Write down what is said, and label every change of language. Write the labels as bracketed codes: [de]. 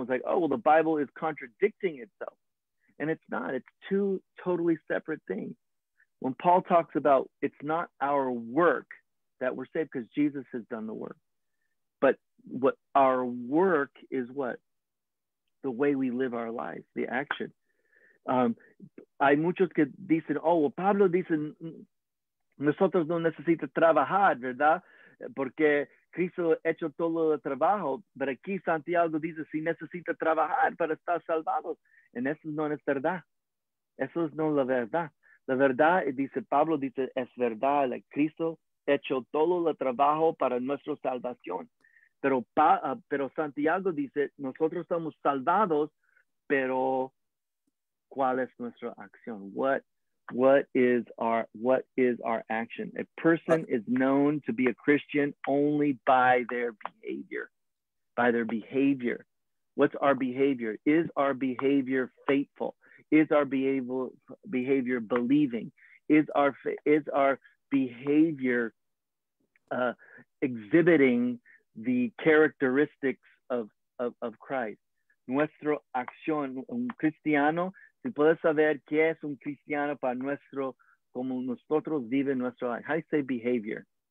[en] It's like, oh, well, the Bible is contradicting itself. And it's not. It's two totally separate things. When Paul talks about it's not our work that we're saved because Jesus has done the work. But what our work is what? The way we live our life, the action. [es] Hay muchos que dicen, oh, well, Pablo dice, nosotros no necesitamos trabajar, ¿verdad? Porque Cristo ha hecho todo el trabajo. Pero aquí Santiago dice, si necesita trabajar para estar salvados. And eso no es verdad. Eso es no la verdad. La verdad, dice Pablo, dice, es verdad. Like, Cristo ha hecho todo el trabajo para nuestra salvación. Pero Santiago dice, nosotros estamos salvados, pero ¿cuál es nuestra acción? [en] What is our action? A person is known to be a Christian only by their behavior. By their behavior. What's our behavior? Is our behavior faithful? Is our behavior believing? Is our behavior exhibiting the characteristics of Christ? [es] Nuestro acción, un cristiano, si puedes saber qué es un cristiano para nuestro, como nosotros vive nuestro, [en] how do you say behavior?